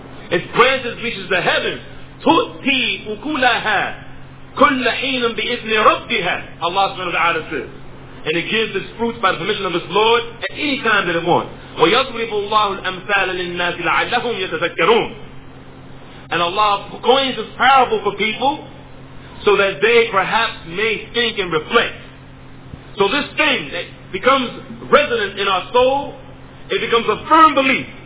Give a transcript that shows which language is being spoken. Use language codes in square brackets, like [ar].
[en] Its branches reach the heavens. [ar] تُؤْتِي أُكُلَهَا كُلَّ حِينٍ بِإِذْنِ رَبِّهَا, Allah subhanahu wa ta'ala says. [en] And it gives its fruits by the permission of its Lord at any time that it wants. [ar] وَيَضْرِبُ اللَّهُ الْأَمْثَالَ لِلنَّاسِ لَعَلَّهُمْ يَتَذَكَّرُونَ. [en] And Allah coins this parable for people so that they perhaps may think and reflect. So this thing that becomes resonant in our soul, it becomes a firm belief.